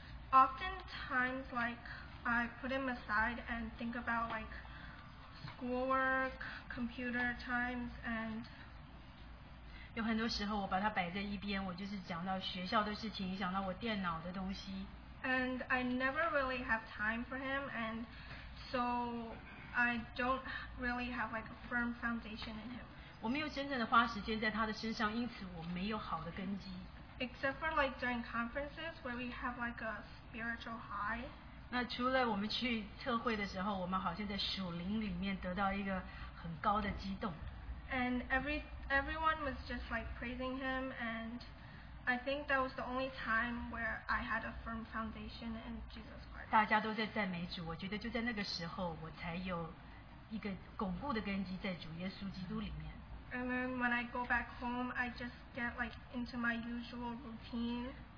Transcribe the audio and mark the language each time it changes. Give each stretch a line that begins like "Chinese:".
English: oftentimes, like I put him aside and think about like schoolwork, computer times, and
Chinese: 有很多时候我把他摆在一边，我就是讲到学校的事情，想到我电脑的东西。
English: And I never really have time for him, and so I don't really have like a firm foundation in him.
Chinese: 我没有真正的花时间在他的身上，因此我没有好的根基。
English: Except for like during conferences where we have like a spiritual high.
Chinese: 那除了我们去特会的时候，我们好像在属灵里面得到一个很高的激动。
English: And everyone was just like praising him, and I think that was the only time where I had a firm foundation in Jesus Christ.
Chinese: 大家都在赞美主，我觉得就在那个时候，我才有一个巩固的根基在主耶稣基督里面。
English: And then when I go back home, I just get like into my usual routine.